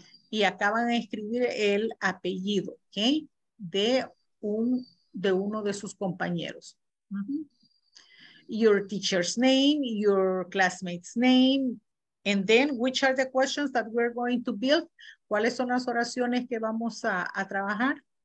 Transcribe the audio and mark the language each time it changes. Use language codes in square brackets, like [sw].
[es] Y acaban de escribir el apellido, okay, de uno de sus compañeros. Mm-hmm. [en] Your teacher's name, your classmate's name, and then which are the questions that we're going to build? [es] ¿Cuáles son las oraciones que vamos a trabajar?